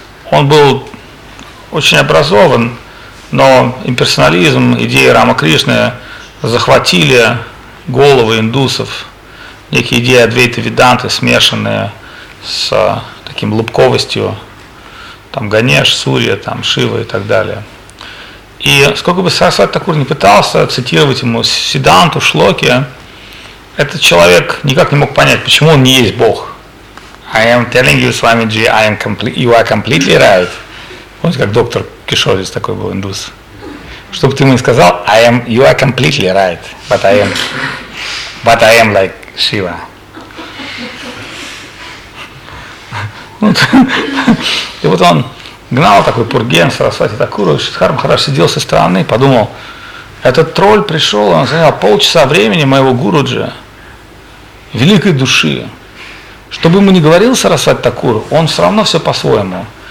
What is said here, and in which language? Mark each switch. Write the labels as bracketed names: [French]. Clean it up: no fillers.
[Russian] Он был очень образован, но имперсонализм, идеи Рамакришны захватили головы индусов, некие идеи Адвейты Веданты, смешанные с таким лубковостью, там Ганеш, Сурья, там Шива и так далее. И сколько бы Сарасвати Такур не пытался цитировать ему Сиданту, Шлоки, этот человек никак не мог понять, почему он не есть Бог. [English] I am telling you, Swamiji, you are completely right. [Russian] Помните, как доктор Кишорис такой был, индус? Что бы ты ему ни сказал, [English] you are completely right, but I am like Shiva. [Russian] И вот он гнал такой пурген Сарасвати Такуру, и Шридхар Махарадж сидел со стороны, подумал: этот тролль пришел, он занял полчаса времени моего гуруджи, великой души. Что бы ему ни говорил Сарасвати Такур, он все равно все по-своему.